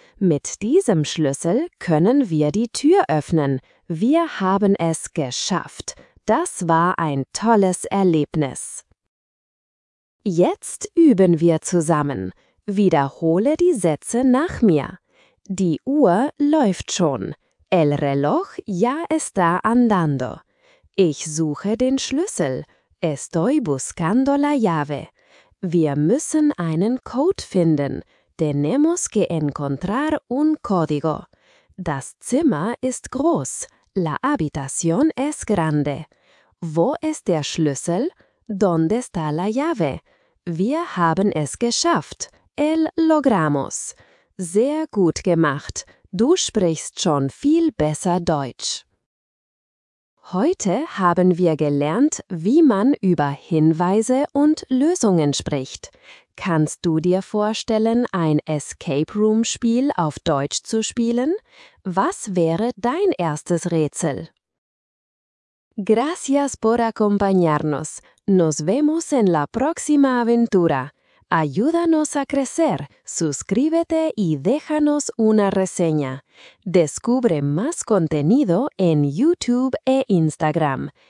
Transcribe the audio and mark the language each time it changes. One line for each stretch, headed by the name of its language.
German: Mit diesem Schlüssel können wir die Tür öffnen. Wir haben es geschafft. Das war ein tolles Erlebnis. Jetzt üben wir zusammen. Wiederhole die Sätze nach mir. Die Uhr läuft schon.
Spanish: El reloj ya está andando.
German: Ich suche den Schlüssel.
Spanish: Estoy buscando la llave.
German: Wir müssen einen Code finden.
Spanish: Tenemos que encontrar un código.
German: Das Zimmer ist groß.
Spanish: La habitación es grande.
German: Wo ist der Schlüssel?
Spanish: ¿Dónde está la llave?
German: Wir haben es geschafft.
Spanish: El logramos.
German: Sehr gut gemacht. Du sprichst schon viel besser Deutsch. Heute haben wir gelernt, wie man über Hinweise und Lösungen spricht. Kannst du dir vorstellen, ein Escape Room-Spiel auf Deutsch zu spielen? Was wäre dein erstes Rätsel?
Spanish: Gracias por acompañarnos. Nos vemos en la próxima aventura. Ayúdanos a crecer, suscríbete y déjanos una reseña. Descubre más contenido en YouTube e Instagram